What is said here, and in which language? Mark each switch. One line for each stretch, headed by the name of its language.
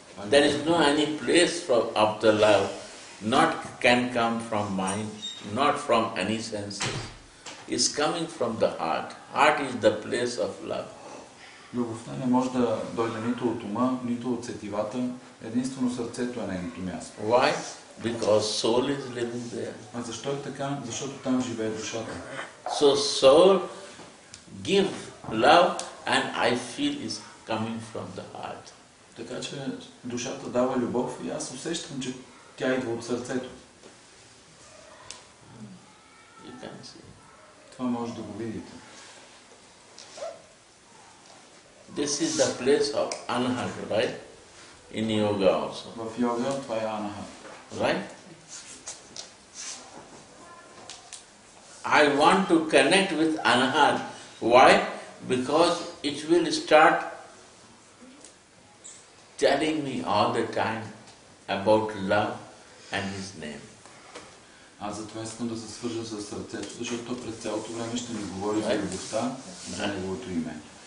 English: There is no any place of the love, not can come from mind. Not from any senses. It's coming from the heart. Heart is the place of love.
Bulgarian: Любовта не може да дойде нито от ума, нито от сетивата, единствено сърцето е нейното място.
English: Why? Because soul is living there.
Bulgarian: А защо е така? Защото там живее душата.
English: So soul give love and I feel is coming from the heart.
Bulgarian: Така че душата дава любов и аз усещам, че тя идва от сърцето.
English: You can see.
Bulgarian: Това може да го видите.
English: This is the place of anahat, right? In yoga also.
Bulgarian: В йога това е анахат.
English: Right? I want to connect with anahat. Why? Because it will start telling me all the time about love and his name.
Bulgarian: Аз затова искам да се свържа с сърцето, защото през цялото време ще ми говори за любовта и за неговото име.